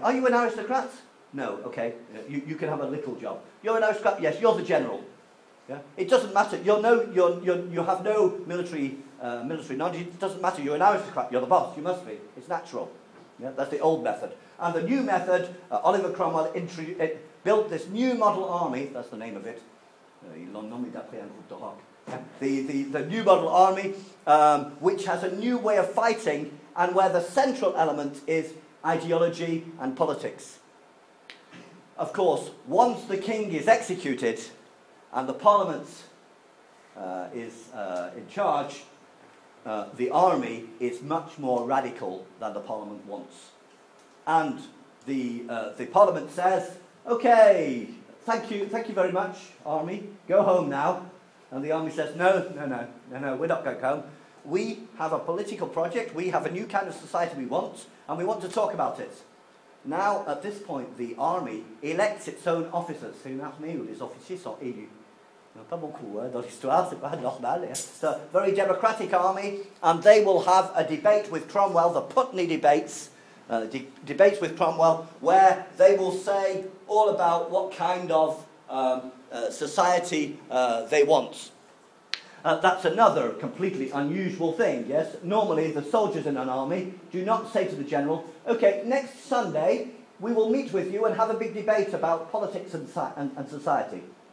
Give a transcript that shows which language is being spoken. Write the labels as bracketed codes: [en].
[en] Are you an aristocrat? No, okay. You can have a little job. You're an aristocrat? Yes, you're the general. Yeah. It doesn't matter. You have no military knowledge. It doesn't matter. You're an aristocrat. You're the boss. You must be. It's natural. Yeah. That's the old method. And the new method, Oliver Cromwell built this new model army. That's the name of it. [fr] Il l'ont nommé d'après un groupe de rock. [en] The new model army, which has a new way of fighting, and where the central element is ideology and politics. Of course, once the king is executed and the parliament is in charge, the army is much more radical than the parliament wants. And the parliament says, okay, thank you very much, army, go home now. And the army says, no, we're not going home. We have a political project, we have a new kind of society we want, and we want to talk about it. Now, at this point, the army elects its own officers. [fr] C'est une armée où les officiers sont élus. Non, pas beaucoup, hein, dans l'histoire, c'est pas normal. Hein. [en] It's a very democratic army, and they will have a debate with Cromwell, the Putney debates, debates with Cromwell, where they will say all about what kind of society they want. That's another completely unusual thing, yes? Normally, the soldiers in an army do not say to the general, okay, next Sunday, we will meet with you and have a big debate about politics and society.